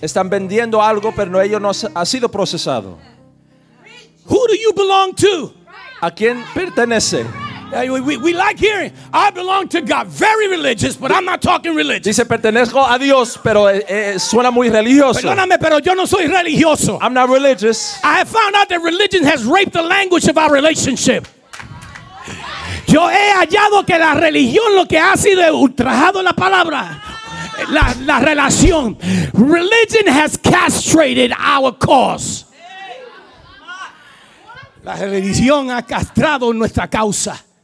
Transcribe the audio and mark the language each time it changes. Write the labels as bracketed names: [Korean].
[Spanish] Están vendiendo algo, pero ellos no ha sido procesado. [English] Who do you belong to? [Spanish] ¿A quién pertenece? [English] We like hearing, I belong to God. Very religious, but I'm not talking religious. [Spanish] Dice, pertenezco a Dios, pero suena muy religioso. Perdóname, pero yo no soy religioso. [English] I'm not religious. I have found out that religion has raped the language of our relationship. [Spanish] Yo he hallado que la religión lo que ha sido ultrajado la palabra, la relación. [English] Religion has castrated our cause. [Spanish] La religión ha castrado nuestra causa.